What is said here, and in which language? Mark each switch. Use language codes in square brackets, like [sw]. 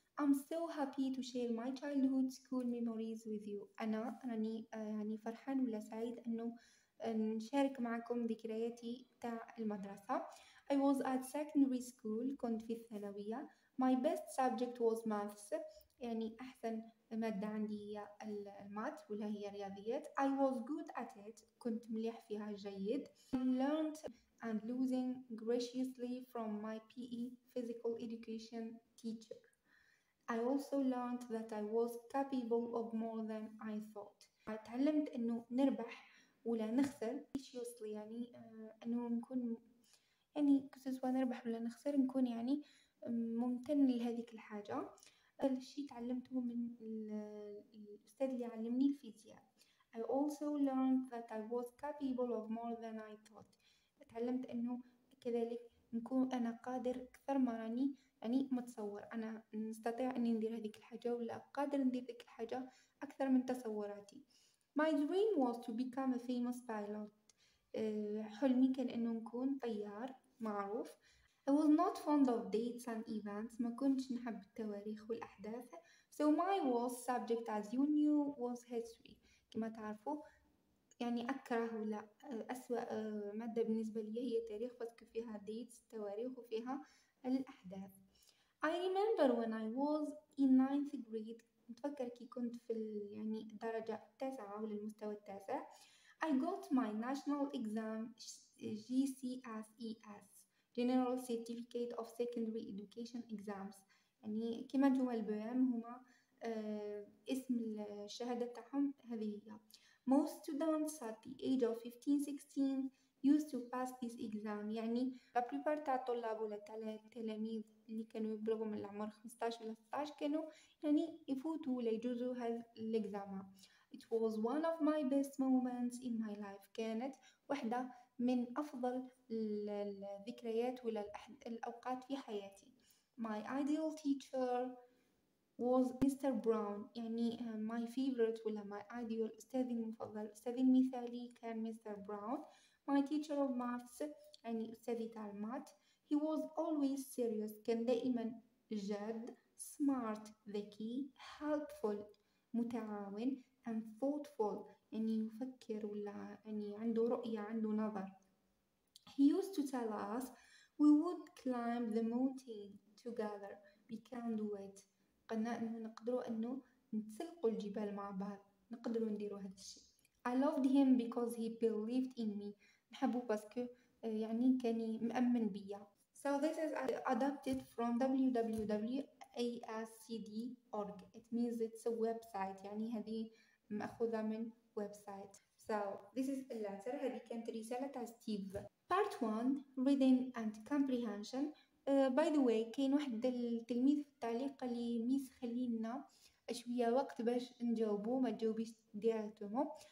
[en] I'm so happy to share my childhood school memories with you. [ar] أنا راني يعني فرحان ولا سعيد أنه نشارك معكم ذكرياتي تاع المدرسة. [en] I was at secondary school. [ar] كنت في الثانوية. [en] My best subject was maths. [ar] يعني أحسن مادة عندي هي المات ولا هي الرياضيات. [en] I was good at it. [ar] كنت مليح فيها، جيد. [en] I learned and losing graciously from my PE physical education teacher. I also learned that I was capable of more than I thought. [ar] تعلمت أنه نربح ولا نخسر graciously، يعني أنه نكون يعني كسوة نربح ولا نخسر نكون يعني ممتن لهذه الحاجة. الشيء تعلمته من الأستاذ اللي علمني الفيزياء. [en] I also learned that I was capable of more than I thought. [ar] تعلمت أنه كذلك نكون أنا قادر أكثر ما راني يعني متصور. أنا نستطيع أني ندير هذه الحاجة ولا قادر ندير ذيك الحاجة أكثر من تصوراتي. [en] My dream was to become a famous pilot. [ar] حلمي كان أنه نكون طيار معروف. [en] I was not fond of dates and events. [ar] ما كنتش نحب التواريخ والأحداث. [en] So my worst subject as you knew was history. [ar] كما تعرفوا يعني أكره ولا أسوأ مادة بالنسبة لي هي التاريخ، بس فيها dates التواريخ وفيها الأحداث. [en] I remember when I was in 9th grade. [ar] متفكر كي كنت في يعني الدرجة التاسعة ولا المستوى التاسع. [en] I got my national exam GCSEs. General Certificate of Secondary Education Exams. [ar] يعني كما جوا البيام هما اسم الشهادة تاعهم هذه هي. [en] Most students at the age of 15-16 used to pass this exam. [ar] يعني البريبار تاع الطلاب ولا تاع التلاميذ اللي كانوا يبلغوا من العمر 15 ولا 16 كانوا يعني يفوتوا ولا يجوزوا هذا الاكزام. [en] It was one of my best moments in my life. [ar] كانت واحدة من أفضل الذكريات ولا الأوقات في حياتي. [en] My ideal teacher was Mr. Brown. [ar] يعني [en] my favorite [ar] ولا [en] my ideal [ar] أستاذي المفضل، أستاذي المثالي كان Mr. [en] Brown. My teacher of maths [ar] يعني أستاذي تاع المات. [en] He was always serious. [ar] كان دائما جاد، [en] smart [ar] ذكي، [en] helpful [ar] متعاون، [en] and thoughtful [ar] يعني يفكر ولا يعني عنده رؤية عنده نظر. [en] He used to tell us we would climb the mountain together. We can do it. [ar] قلنا أنه نقدروا أنه نتسلقوا الجبال مع بعض، نقدروا نديروا هذا الشيء. [en] I loved him because he believed in me. [ar] نحبه باسكو يعني كان مأمن بيا. [en] So this is adapted from www.ascd.org. It means it's a website. [ar] يعني هذه مأخوذة من website. [en] So this is a letter. [ar] هذه كانت رسالة تاع ستيف. [en] Part 1 reading and comprehension. By the way [ar] كاين واحد التلميذ في التعليق قال لي ميس خلينا شويه وقت باش نجاوبو، ما تجاوبيش ديريكتوم.